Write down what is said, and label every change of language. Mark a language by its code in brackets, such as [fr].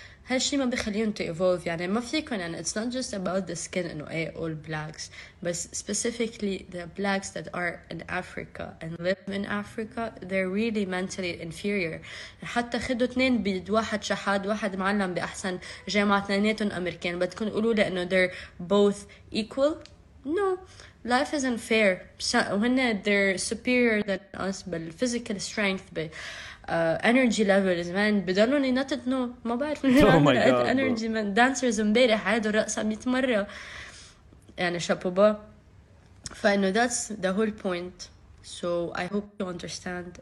[en] And this thing doesn't allow them to evolve. [ar] يعني ما فيكن, يعني [en] it's not just about the skin and all blacks, but specifically the blacks that are in Africa and live in Africa, they're really mentally inferior. [ar] حتى خدوا اثنين بيد, واحد شحاد, واحد معلم بأحسن جامعة, اثنيناتهم أمريكان, بتكون قولوا لأنه [en] they're both equal? No, life isn't fair. When they're superior than us by physical strength, by energy levels, man, [ar] بدلون ينطط, [en] no, [ar] ما بعرف. [en] Oh my God. Energy, man, dancers [ar] مبارح عادوا رقصة 100 مرة. يعني شابو با. فإنه [en] that's the whole point. So I hope you understand.